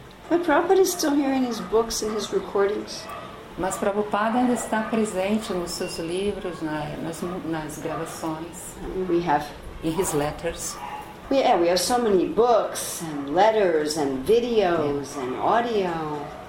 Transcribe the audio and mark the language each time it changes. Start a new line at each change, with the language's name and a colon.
English: But Prabhupada is still here in his books and his recordings.
Portuguese: Mas Prabhupada ainda está presente nos seus livros, nas gravações.
English: We have in his letters. Yeah, we have so many books and letters and videos and audio.